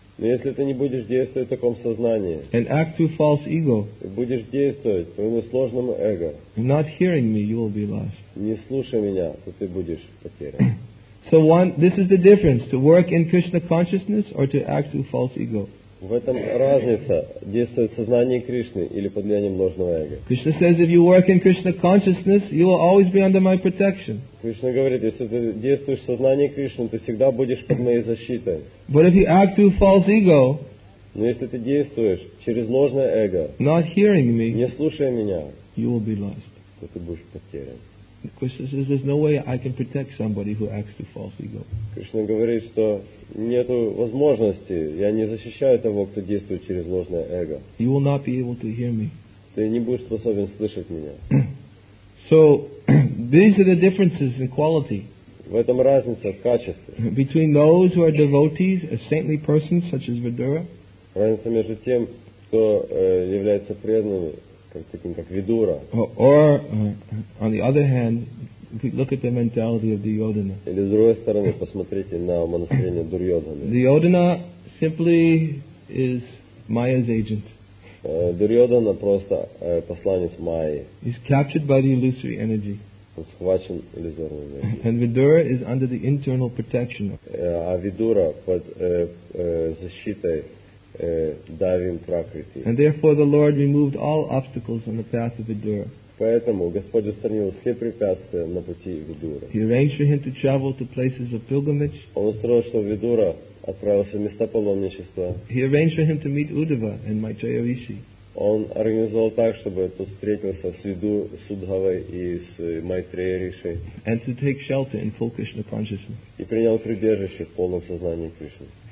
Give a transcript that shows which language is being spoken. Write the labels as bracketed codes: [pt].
[ru] но если ты не будешь действовать в таком сознании, [en] and act through false ego, [ru] и будешь действовать по несложному эго, [en] not hearing me, you will be lost. [ru] Не слушай меня, то ты будешь потерян. [en] So one, this is the difference: to work in Krishna consciousness or to act through false ego. [ru] В этом разница: действовать в сознании Кришны или под влиянием ложного эго. [en] Krishna says, if you work in Krishna consciousness, you will always be under my protection. [ru] Кришна говорит, если ты действуешь в сознании Кришны, ты всегда будешь под моей защитой. [en] But if you act through false ego, [ru] но если ты действуешь через ложное эго, [en] not hearing me, [ru] не слушая меня, [en] you will be lost. [ru] То ты будешь потерян. [en] Krishna says, there's no way I can protect somebody who acts through false ego. [ru] Кришна говорит, что нет возможности, я не защищаю того, кто действует через ложное эго. [en] You will not be able to hear me. [ru] Ты не будешь способен слышать меня. [en] So, these are the differences in quality. [ru] В этом разница в качестве. [en] Between those who are devotees, a saintly person such as Vidura. [ru] Разница между тем, кто является преданным, таким как Видура. [en] Or, on the other hand, if we look at the mentality of Duryodhana. [ru] Или с другой стороны, посмотрите на умонастроение Дурьодхана. [en] Duryodhana simply is Maya's agent. [ru] Дурьодхана просто посланец Майи. [en] He's captured by the illusory energy. [ru] Он схвачен иллюзорной энергией. [en] And Vidura is under the internal protection. [ru] А Видура под защитой Давим Пракрити. [en] And therefore the Lord removed all obstacles on the path of Vidura. [ru] Поэтому Господь устранил все препятствия на пути Видуры. [en] He arranged for him to travel to places of pilgrimage. [ru] Он устроил, чтобы Видура отправился в места паломничества. [en] He arranged for him to meet Uddhava and Maitreya Rishi. [ru] Он организовал так, чтобы тот встретился с Судхавой и с Майтрея Риши. [en] And to take shelter in full Krishna consciousness. [ru] И принял прибежище в полном сознании Кришны.